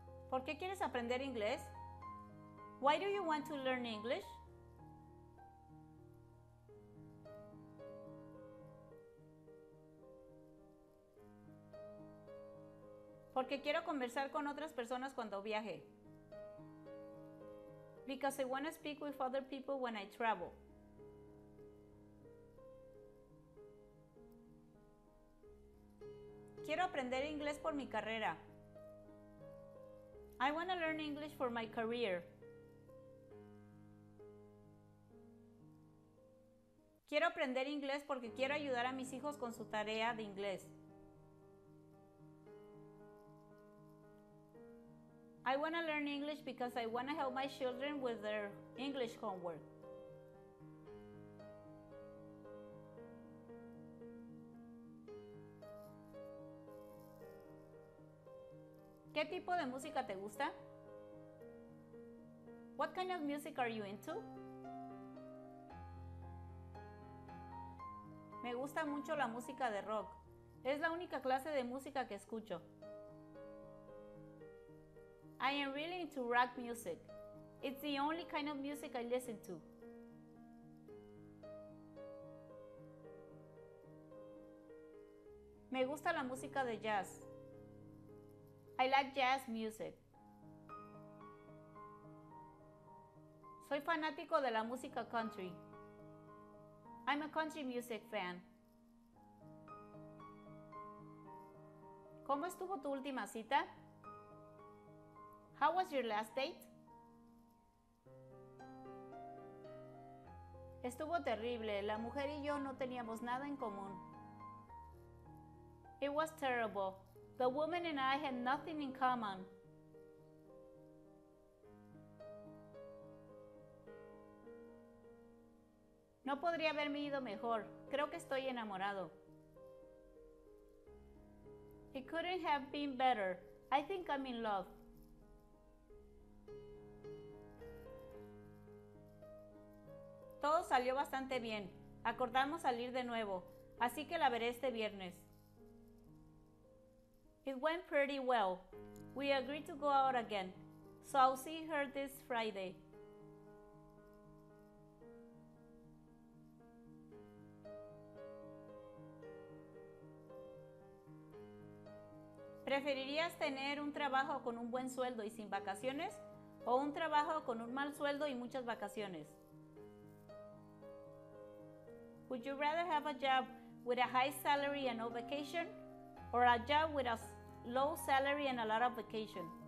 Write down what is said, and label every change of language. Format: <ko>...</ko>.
<es>¿Por qué quieres aprender inglés?</es> <en>Why do you want to learn English?</en> <es>Porque quiero conversar con otras personas cuando viaje.</es> <en>Because I want to speak with other people when I travel.</en> <es>Quiero aprender inglés por mi carrera.</es> <en>I want to learn English for my career.</en> <es>Quiero aprender inglés porque quiero ayudar a mis hijos con su tarea de inglés.</es> <en>I want to learn English because I want to help my children with their English homework.</en> <es>¿Qué tipo de música te gusta?</es> <en>What kind of music are you into?</en> <es>Me gusta mucho la música de rock. Es la única clase de música que escucho.</es> <en>I am really into rock music. It's the only kind of music I listen to.</en> <es>Me gusta la música de jazz.</es> <en>I like jazz music.</en> <es>Soy fanático de la música country.</es> <en>I'm a country music fan.</en> <es>¿Cómo estuvo tu última cita?</es> <en>How was your last date?</en> <es>Estuvo terrible. La mujer y yo no teníamos nada en común.</es> <en>It was terrible. The woman and I had nothing in common.</en> <es>No podría haberme ido mejor. Creo que estoy enamorado.</es> <en>It couldn't have been better. I think I'm in love.</en> <es>Todo salió bastante bien. Acordamos salir de nuevo, así que la veré este viernes.</es> <en>It went pretty well. We agreed to go out again, so I'll see her this Friday.</en> <es>¿Preferirías tener un trabajo con un buen sueldo y sin vacaciones o un trabajo con un mal sueldo y muchas vacaciones?</es> <en>Would you rather have a job with a high salary and no vacation or a job with a low salary and a lot of vacation?</en>